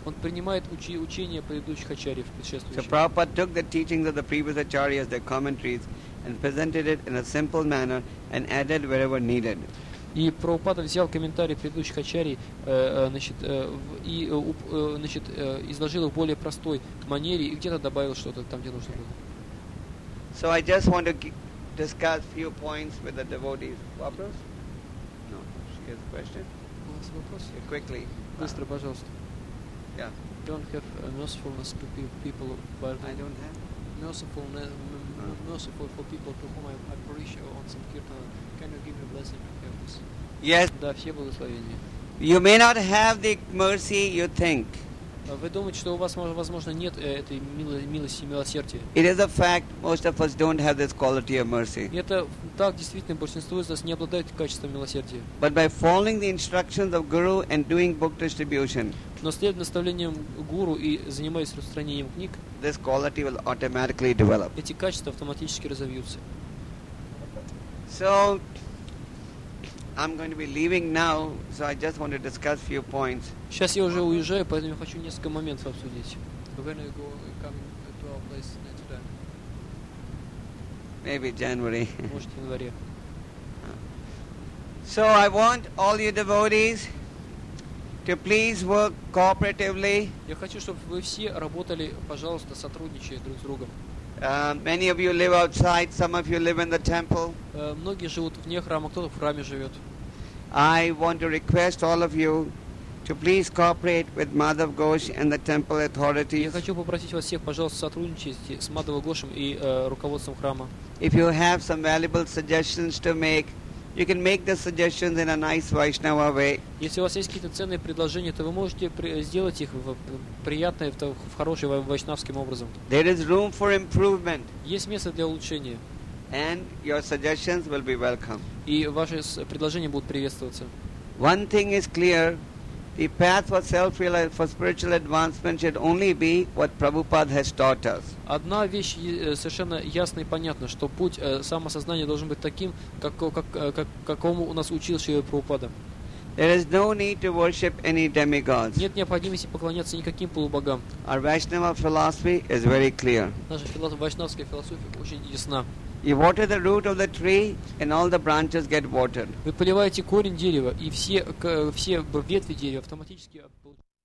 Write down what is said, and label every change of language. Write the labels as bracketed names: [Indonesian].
[Russian] Он принимает учение предыдущих ачарьев, предшествующих. [English] So Prabhupada took the teachings of the previous acharyas, their commentaries, and presented it in a simple manner and added wherever needed. [Russian] И Прабхупада взял комментарии предыдущих ачарий, изложил их в более простой манере и где-то добавил что-то там, где нужно было. [English] So I just want to discuss few points with the devotees. Вопрос? No, she has a question. Quickly. [Russian] Быстро, пожалуйста. [English] Yeah. Don't have mercifulness to people. But I don't have mercifulness. Merciful for people to whom I preach on some kirtan. Can you give me a blessing to have this? Yes. [Russian] Да, все благословения. [English] You may not have the mercy you think. [Russian] Вы думаете, что у вас, возможно, нет этой милости, милосердия? [English] It is a fact most of us don't have this quality of mercy. [Russian] Это так, действительно, большинство из нас не обладает качеством милосердия. [English] But by following the instructions of Guru and doing book distribution. [Russian] Но следуя наставлениям Гуру и занимаясь распространением книг. [English] This quality will automatically develop. [Russian] Эти качества автоматически разовьются. [English] So I'm going to be leaving now, so I just want to discuss a few points. [Russian] Сейчас я уже уезжаю, поэтому хочу несколько моментов обсудить. [English] When you go coming to our place next time? Maybe January. [Russian] Может, в январе. [English] So I want all you devotees to please work cooperatively. [Russian] Я хочу, чтобы вы все работали, пожалуйста, сотрудничая друг с другом. [English] Many of you live outside, some of you live in the temple. [Russian] Многие живут вне храма, кто-то в храме живет. [English] I want to request all of you to please cooperate with Madhav Ghosh and the temple authorities. [Russian] Я хочу попросить вас всех, пожалуйста, сотрудничать с Мадхава Гошем и руководством храма. [English] If you have some valuable suggestions to make, you can make the suggestions in a nice Vaishnava way. [Russian] Если у вас есть какие-то ценные предложения, то вы можете сделать их в приятной, в хорошей вайшнавским образом. [English] There is room for improvement. [Russian] Есть место для улучшения. [English] And your suggestions will be welcome. [Russian] И ваши предложения будут приветствоваться. [English] One thing is clear: the path for self-realization, for spiritual advancement, should only be what Prabhupada has taught us. [Russian] Одна вещь совершенно ясна и понятна, что путь самосознания должен быть таким, какому у нас учил Шрила Прабхупада. [English] There is no need to worship any demigods. [Russian] Нет необходимости поклоняться никаким полубогам. [English] Our Vaishnava philosophy is very clear. [Russian] Наша вайшнавская философия очень ясна. [English] You water the root of the tree, and all the branches get watered. [Russian] Вы поливаете корень дерева, и все ветви дерева автоматически.